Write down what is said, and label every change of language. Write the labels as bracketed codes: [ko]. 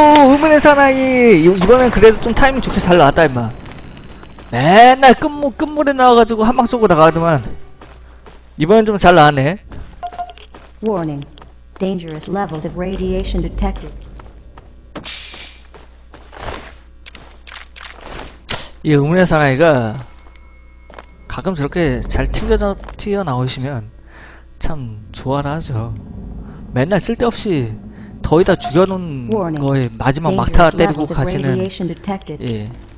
[ko] 흐물의 사나이! 이번엔 그래도 좀 타이밍 좋게 잘 나왔다, 임마. 맨날 끝물에 나와가지고 한방 쏘고 나가더만. 이번엔 좀 잘 나왔네. 워닝. [en] Dangerous levels of radiation detected. [ko] 이 흐물의 사나이가 가끔 저렇게 잘 튀어나오시면 참 좋아라 하죠. 맨날 쓸데없이 더위다 죽여놓은 거에 마지막 막타 때리고 가시는. 예.